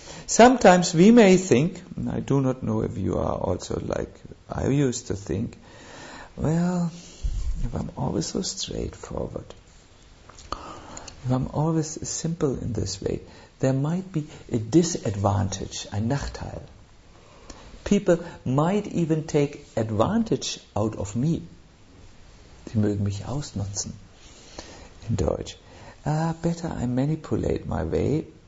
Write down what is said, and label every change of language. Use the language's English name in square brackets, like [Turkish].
[English] Sometimes we may think, and I do not know if you are also like I used to think, well, if I'm always so straightforward, if I'm always simple in this way, there might be a disadvantage, a Nachteil. People might even take advantage out of me. [German] Sie mögen mich ausnutzen, in Deutsch. [English] Better I manipulate my way.